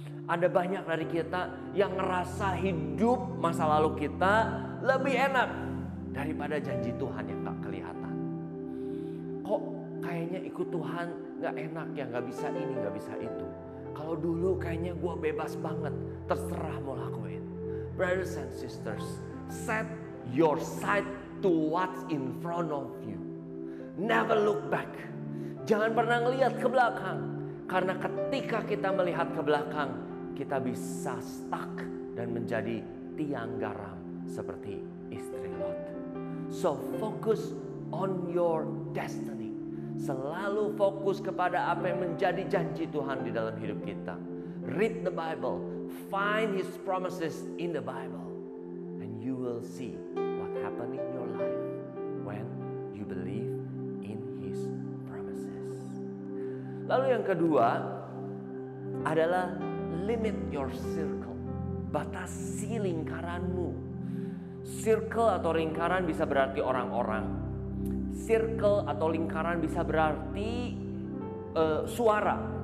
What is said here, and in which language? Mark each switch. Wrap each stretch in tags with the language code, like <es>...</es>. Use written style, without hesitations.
<id>Ada banyak dari kita yang ngerasa hidup masa lalu kita lebih enak daripada janji Tuhan yang gak kelihatan. Kok kayaknya ikut Tuhan gak enak ya, gak bisa ini, gak bisa itu. Kalau dulu kayaknya gue bebas banget, terserah mau lakuin.</id> <en>Brothers and sisters, set your sight to what's in front of you. Never look back.</en> <id>Jangan pernah ngelihat ke belakang. Karena ketika kita melihat ke belakang, kita bisa stuck dan menjadi tiang garam seperti istri Lot.</id> <en>So focus on your destiny.</en> <id>Selalu fokus kepada apa yang menjadi janji Tuhan di dalam hidup kita.</id> <en>Read the Bible. Find His promises in the Bible. And you will see what happened in your life when you believe in His promises.</en> <id>Lalu yang kedua adalah</id> <en>limit your circle.</en> <id>Batasi lingkaranmu. Circle atau lingkaran bisa berarti orang-orang. Circle atau lingkaran bisa berarti suara.</id>